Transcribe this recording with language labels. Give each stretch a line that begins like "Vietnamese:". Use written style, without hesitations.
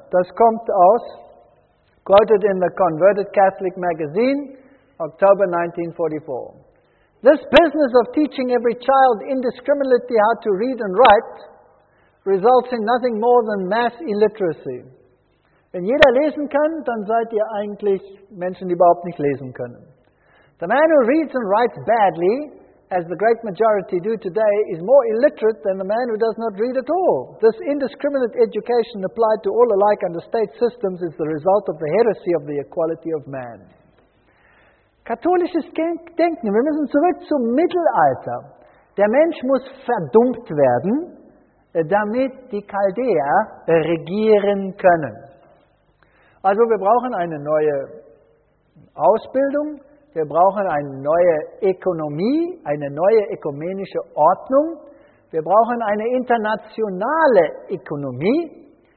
German: Das kommt aus,
English: quoted in the Converted Catholic Magazine, October 1944. This business of teaching every child indiscriminately how to read and write results in nothing more than mass illiteracy.
German: Wenn jeder lesen kann, dann seid ihr eigentlich Menschen, die überhaupt nicht lesen können.
English: The man who reads and writes badly, as the great majority do today, is more illiterate than the man who does not read at all. This indiscriminate education applied to all alike under state systems is the result of the heresy of the equality of man.
German: Katholisches Denken, wir müssen zurück zum Mittelalter. Der Mensch muss verdummt werden, damit die Chaldeer regieren können. Also wir brauchen eine neue Ausbildung, wir brauchen eine neue Ökonomie, eine neue ökumenische Ordnung, wir brauchen eine internationale Ökonomie